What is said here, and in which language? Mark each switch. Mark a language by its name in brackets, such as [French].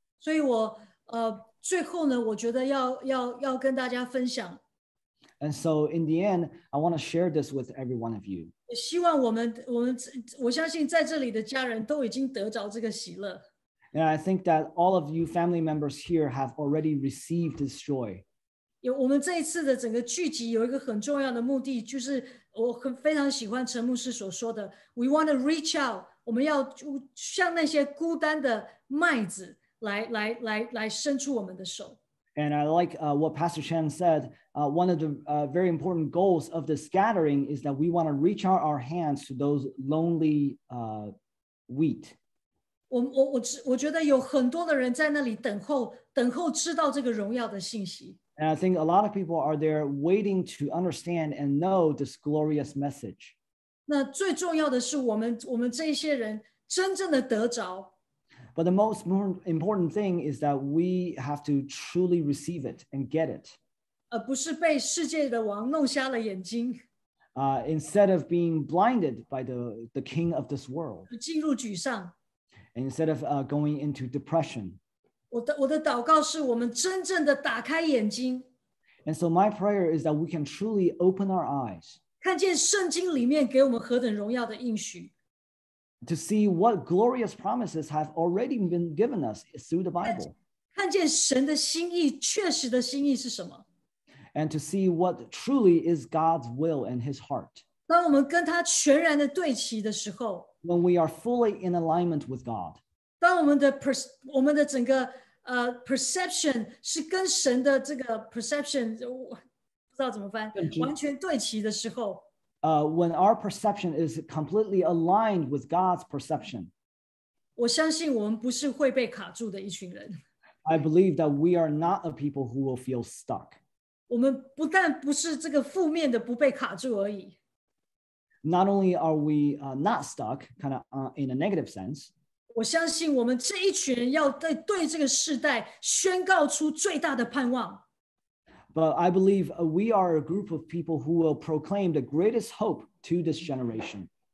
[Chinese] 所以我最后呢，我觉得要跟大家分享。 [English] And so in the end, I want to share this with every one of you. [Chinese] 希望我相信在这里的家人都已经得着这个喜乐。 [English] And I think that all of you family members here have already received this joy. [Chinese] 我们这一次的整个聚集有一个很重要的目的，就是我非常喜欢陈牧师所说的 , [English] We want to reach out, [Chinese] 我们要向那些孤单的麦子 来伸出我们的手。 [English] And I like what Pastor Chan said, one of the very important goals of this gathering is that we want to reach out our hands to those lonely wheat. [Chinese] 我觉得有很多的人在那里等候知道这个荣耀的信息。 [English] And I think a lot of people are there waiting to understand and know this glorious message. [Chinese] 那最重要的是我们这些人真正的得着。 [English] But the most important thing is that we have to truly receive it and get it. [Chinese] 不是被世界的王弄瞎了眼睛。 [English] Instead of being blinded by the king of this world. [Chinese] 进入沮丧。 [English] Instead of going into depression. [Chinese] 我的祷告是我们真正的打开眼睛。 [English] And so my prayer is that we can truly open our eyes. [Chinese] 看见圣经里面给我们何等荣耀的应许。 [English] To see what glorious promises have already been given us through the Bible. [Chinese] 看见神的心意，确实的心意是什么？ [English] And to see what truly is God's will and His heart. [Chinese] 当我们跟他全然的对齐的时候， [English] When we are fully in alignment with God. [Chinese] 当我们的整个perception 是跟神的这个 perception 不知道怎么翻，完全对齐的时候。 [English] When our perception is completely aligned with God's perception, [Chinese] 我相信我们不是会被卡住的一群人。 [English] I believe that we are not a people who will feel stuck. [Chinese] 我们不但不是这个负面的不被卡住而已。 [English] Not only are we not stuck, kind of in a negative sense, [Chinese] 我相信我们这一群人要对这个世代宣告出最大的盼望。 [English] But I believe we are a group of people who will proclaim the greatest hope to this generation.